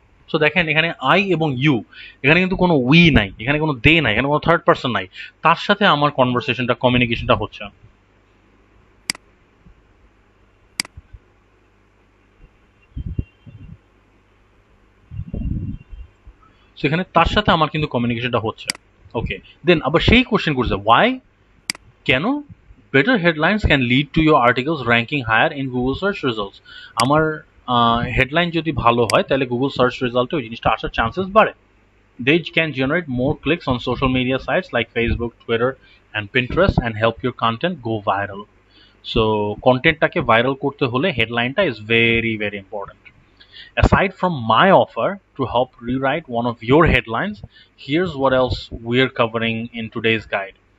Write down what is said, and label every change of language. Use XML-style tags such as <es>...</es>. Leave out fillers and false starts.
<bn>so dekhen ekhane I ebong you, ekhane kintu kono we nai, ekhane kono they nai, ekhane kono third person nai, tar sathe amar conversation ta communication ta hocche, so এখানে তার সাথে আমার কিন্তু কমিউনিকেশনটা হচ্ছে, ওকে, দেন আবার সেই question করছে Y, কেন,</bn> <en>Better headlines can lead to your articles ranking higher in Google search results.</en> <bn>আমার হেডলাইন যদি ভালো হয় তাহলে গুগল সার্চ রেজাল্টে ওই জিনিসটা আসার চান্সেস বাড়ে।</bn> <en>They can generate more clicks on social media sites like Facebook, Twitter, and Pinterest and help your content go viral.</en> <bn>So, content ta ke viral korte hole headline ta</bn> <en>is very, very important. Aside from my offer to help rewrite one of your headlines, here's what else we're covering in today's guide.</en>